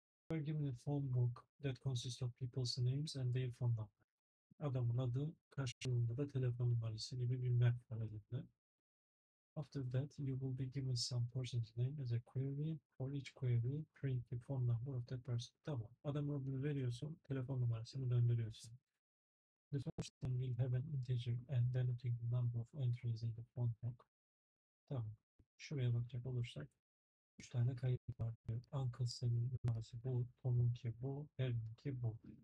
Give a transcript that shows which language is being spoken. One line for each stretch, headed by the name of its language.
English: We're given a phone book that consists of people's names and their phone number.
Turkish: Adamın adı, karşılığında da telefon numarası gibi bir map var elinde.
English: After that, you will be given some person's name as a query. For each query, print the phone number of that person.
Turkish: Tamam. Adamın adını veriyorsun, telefon numarasını döndürüyorsun.
English: The first thing we have an integer and denoting the number of entries in the phone book.
Turkish: Tamam. Şuraya bakacak olursak. 3 tane kayıt var diyor. Uncle Sam'in numarası bu, Tom'unki bu, Harry'ninki bu.